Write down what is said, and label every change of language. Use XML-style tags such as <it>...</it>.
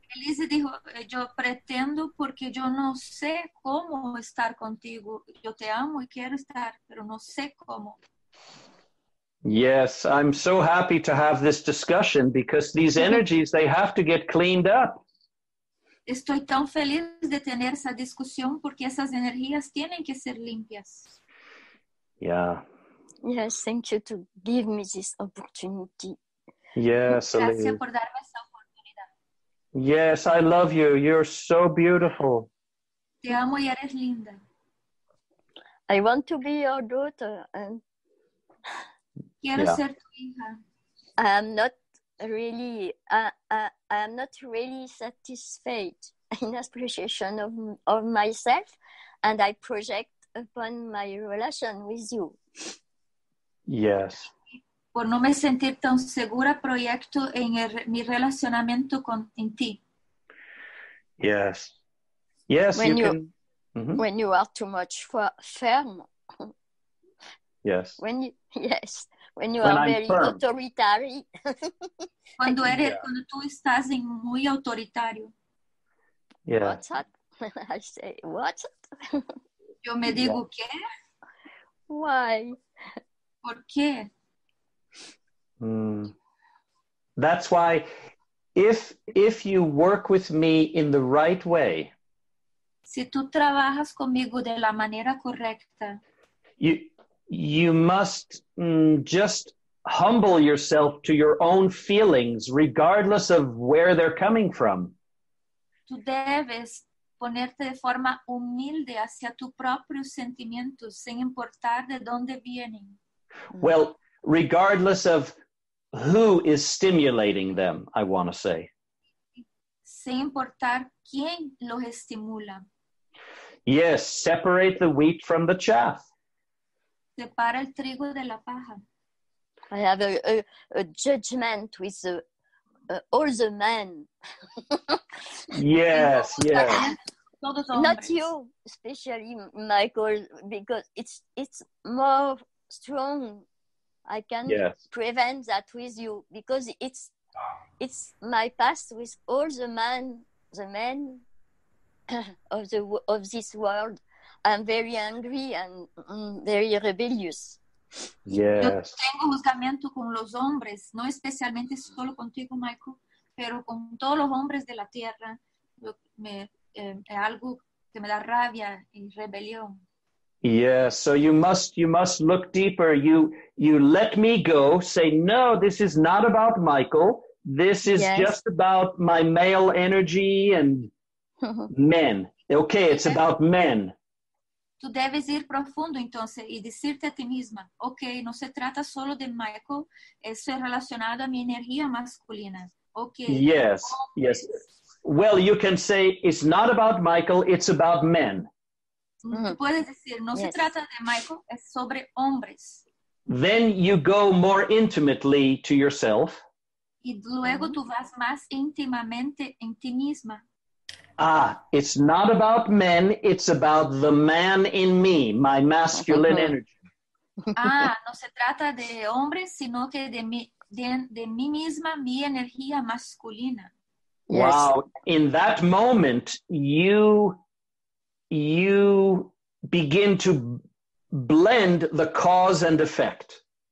<es>Elise dijo, yo pretendo porque yo no sé cómo estar contigo. Yo te amo y quiero estar, pero no sé cómo.</es> <en>Yes, I'm so happy to have this discussion because these energies, they have to get cleaned up.</en> <es>Estoy tan feliz de tener esa discusión porque esas energías tienen que ser limpias.</es> <en>Yeah. Yes, thank you to give me this opportunity. Yes,</en> <es>gracias por darme esa oportunidad.</es> <en>Yes, I love you. You're so beautiful.</en> <es>Te amo y eres linda.</es> <en>I want to be your daughter and...</en> <es>Quiero ser tu hija.</es> <en>I am not really satisfied in appreciation of myself, and I project upon my relation with you. Yes.</en> <es>Por no me sentir tan segura, proyecto en mi relacionamiento con en ti.</es> <en>Yes. Yes. When you can, when you are too much firm. Yes. When you are very firm. Authoritarian.</en> <es>Cuando eres, cuando tú estás en muy autoritario.</es> <en>Yeah. What's that? I say, what's that?</en> <es>Yo me digo, ¿qué?</es> <en>Why?</en> <es>¿Por qué?</es> <en>That's why if you work with me in the right way.</en> <es>Si tú trabajas conmigo de la manera correcta.</es> <en>You must just humble yourself to your own feelings, regardless of where they're coming from.</en> <es>Tú debes ponerte de forma humilde hacia tus propios sentimientos, sin importar de dónde vienen.</es> <en>Well, regardless of who is stimulating them, I want to say.</en> <es>Sin importar quién los estimula.</es> <en>Yes, separate the wheat from the chaff.</en> <es>Separa el trigo de la paja.</es> <en>I have a judgment with all the men. Yes, yes. Not you, especially Michael, because it's more strong. I can prevent that with you because it's my past with all the men of this world. I'm very angry and very rebellious. Yes.</en> <es>Yo tengo juzgamiento con los hombres, no especialmente solo contigo, Michael, pero con todos los hombres de la tierra. Algo que me da rabia y rebelión.</es> <en>Yeah, so you must look deeper. You let me go. Say, no, this is not about Michael. This is just about my male energy and men. Okay, it's about men.</en> <es>Tu debes ir profundo, entonces, y decirte a ti misma, okay, no se trata solo de Michael, eso es relacionado a mi energía masculina.</es> <en>Okay. Yes, yes. Well, you can say, it's not about Michael, it's about men. Mm-hmm.</en> <es>Puedes decir, no se trata de Michael, es sobre hombres.</es> <en>Then you go more intimately to yourself.</en> <es>Y luego tú vas más íntimamente en ti misma.</es> <en>Ah, it's not about men, it's about the man in me, my masculine energy.</en> <es>Ah, no se trata de hombres, sino que de mí misma, mi energía masculina.</es> <en>Wow, in that moment, you begin to blend the cause and effect.</en>